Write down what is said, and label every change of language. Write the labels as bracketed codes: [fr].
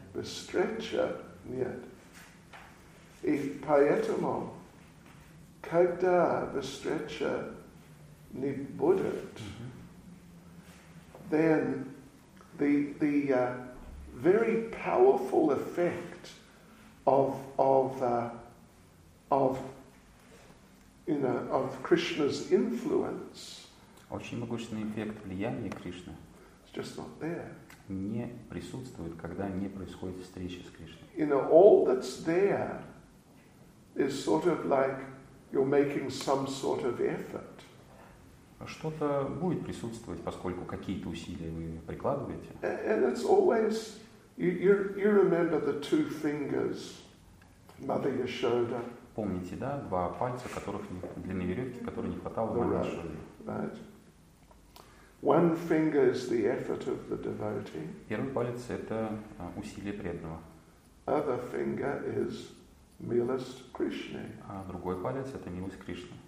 [ru] Встреча, нет. И поэтому, когда встреча не будет, [en] then the very powerful effect of Krishna's influence [ru] Очень могущественный эффект влияния Кришны [en] just not there. [ru] Не присутствует, когда не происходит встречи с Кришной. [en] You know, all that's there is sort of like you're making some sort of effort. [ru] Что-то будет присутствовать, поскольку какие-то усилия вы прикладываете. [en] And it's always you remember the two fingers, Mother Yashoda. [ru] Помните, да, два пальца, которых длины веревки, которые не хватало на нашу. [en] Right. One finger is the effort of the devotee. [ru] Первый палец – это усилие преданного. [en] Other finger is [ru] милость Кришны. А другой палец – это милость Кришны.